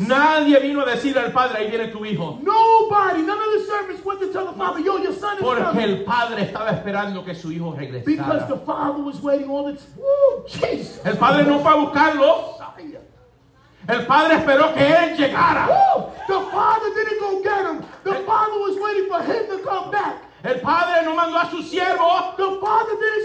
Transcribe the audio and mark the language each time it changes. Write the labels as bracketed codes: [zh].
[es] Nadie vino a decirle al padre, ahí viene tu hijo. [en] Nobody, none of the servants went to tell the father, yo, your son is [es] Porque [en] coming. [es] El padre estaba esperando que su hijo regresara. [en] Because the father was waiting all the time. Jesus. [es] El padre no fue a buscarlo. El padre esperó que él llegara. [en] Woo! The father didn't go get him. The father was waiting for him to come back. [es] El padre no mandó a su siervo. [en] The father didn't